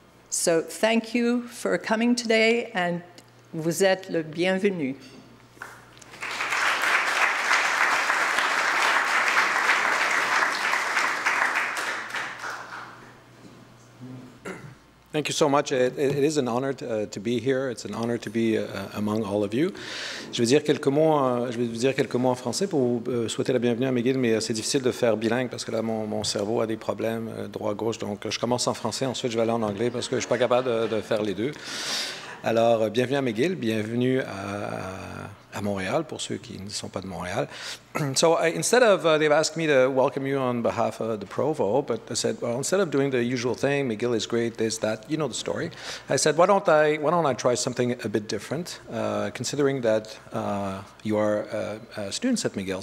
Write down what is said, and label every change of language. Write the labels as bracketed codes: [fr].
[en] So thank you for coming today, and [fr] vous êtes le bienvenu. [en] Thank you so much. It is an honor to be here. It's an honor to be among all of you. [fr] Je vais vous dire quelques mots en français pour vous souhaiter la bienvenue à McGill, mais c'est difficile de faire bilingue parce que là, mon cerveau a des problèmes droit-gauche. Donc, je commence en français, ensuite je vais aller en anglais parce que je ne suis pas capable de faire les deux. Alors, bienvenue à McGill, bienvenue à Montréal, pour ceux qui ne sont pas de Montréal. [en] So instead of, they've asked me to welcome you on behalf of the Provo, but I said, well, instead of doing the usual thing, McGill is great, this, that, you know the story. I said, why don't I try something a bit different, considering that you are students at McGill.